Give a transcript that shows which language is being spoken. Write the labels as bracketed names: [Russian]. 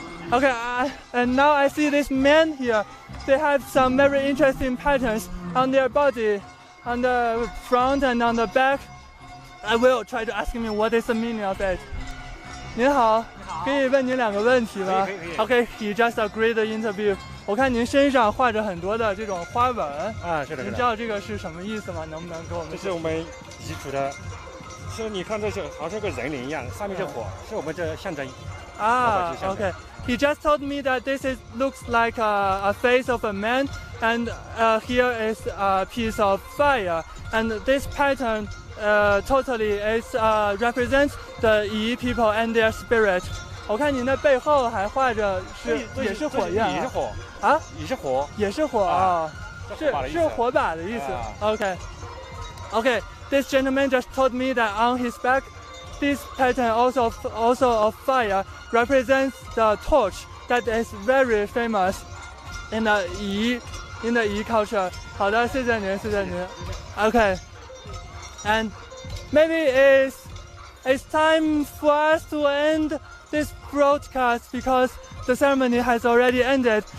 [English] Okay, and now I see this man here. They have some very interesting patterns on their body, on the front and on the back. I will try to ask him what is the meaning of it. [Chinese] 您好，可以问您两个问题吗？可以。 [English] Okay, he just agreed the interview. [Chinese] 我看您身上画着很多的这种花纹。啊，是的。您知道这个是什么意思吗？能不能给我们？这是我们彝族的，其实你看这是好像个人脸一样，上面这火是我们这象征。 [English] Okay. He just told me that this looks like a face of a man, and here is a piece of fire. And this pattern totally is, represents the 彝 people and their spirit. [Chinese] 我看您的背后还画着是也是火焰，也是火啊，也是火，也是火啊，是火把的意思。 [English] Okay, this gentleman just told me that on his back. This pattern also of fire represents the torch that is very famous in the Yi culture. [Chinese] 好的，谢谢您，谢谢您。 [English] Okay, and maybe it's time for us to end this broadcast because the ceremony has already ended.